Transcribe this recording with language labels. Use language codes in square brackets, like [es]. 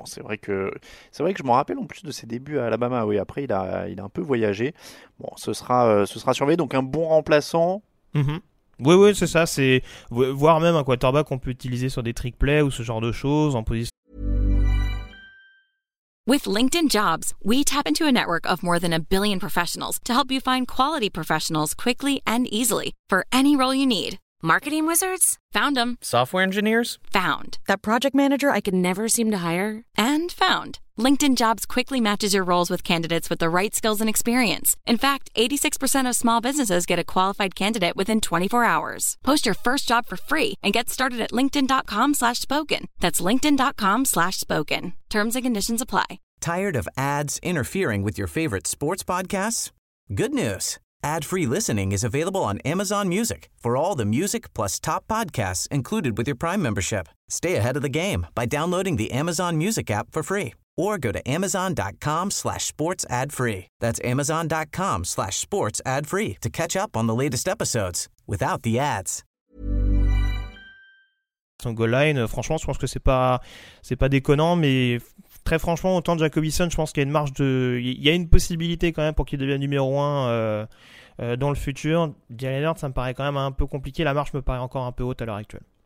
[fr] C'est vrai que je m'en rappelle en plus de ses débuts à Alabama. Oui, après il a un peu voyagé. Bon, ce sera surveillé. Donc un bon remplaçant. Mm-hmm. Oui, c'est ça. C'est voire même un quarterback qu'on peut utiliser sur des trick plays ou ce genre de choses en position. [en] With LinkedIn Jobs, we tap into a network of more than a billion professionals to help you find quality professionals quickly and easily for any role you need. Marketing wizards? Found them. Software engineers? Found. That project manager I could never seem to hire? And found. LinkedIn Jobs quickly matches your roles with candidates with the right skills and experience. In fact, 86% of small businesses get a qualified candidate within 24 hours. Post your first job for free and get started at linkedin.com/spoken. That's linkedin.com/spoken. Terms and conditions apply. Tired of ads interfering with your favorite sports podcasts? Good news. Ad-free listening is available on Amazon Music for all the music plus top podcasts included with your Prime membership. Stay ahead of the game by downloading the Amazon Music app for free or go to amazon.com/sportsadfree. That's amazon.com/sportsadfree to catch up on the latest episodes without the ads. [fr] Son goal line, franchement, je pense que c'est pas déconnant, mais... très franchement, autant de Jacob Eason, je pense qu'il y a une marge de... il y a une possibilité quand même pour qu'il devienne numéro 1 dans le futur. Jalen Hurts, ça me paraît quand même un peu compliqué. La marge me paraît encore un peu haute à l'heure actuelle.